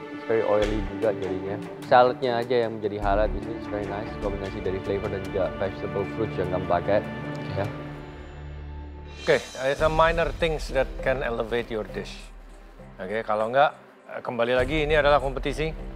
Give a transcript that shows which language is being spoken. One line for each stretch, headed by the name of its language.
English: It's very oily
Indonesian: juga jadinya. Saladnya aja yang menjadi highlight di sini.
English: It's very nice.
Indonesian: Kombinasi dari flavor dan juga vegetable fruit yang kamu pakai.
English: Yeah. Okay, some minor things that can elevate your dish.
Indonesian: Okay, kalau enggak, kembali lagi ini adalah kompetisi.